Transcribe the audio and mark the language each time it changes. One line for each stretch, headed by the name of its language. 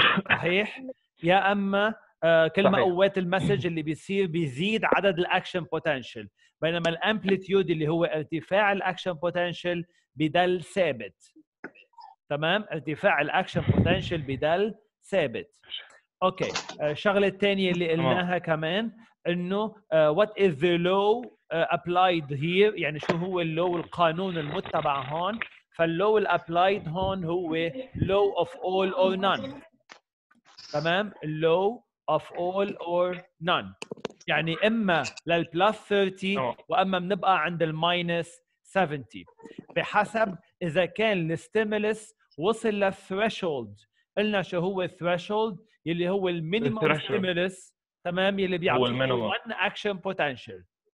Arabic: صحيح؟ يا اما كل ما قوات المسج اللي بيصير بيزيد عدد الاكشن بوتنشال، بينما الامبليتيود اللي هو ارتفاع الاكشن بوتنشال بدل ثابت. تمام، ارتفاع الاكشن بوتنشال بدل ثابت. اوكي، الشغله الثانيه اللي قلناها كمان انه what is the law applied here، يعني شو هو اللو، القانون المتبع هون.
English: فاللو الابلايد هون هو law of all or none.
Arabic: تمام، law of all or none، يعني اما للبلس 30 واما بنبقى عند الماينس 70، بحسب اذا كان الستيمولس وصل للثريشولد. قلنا شو هو الثريشولد؟ يلي هو المينيمم ستيمولس، تمام، يلي بيعطي 1 اكشن بوتنشال.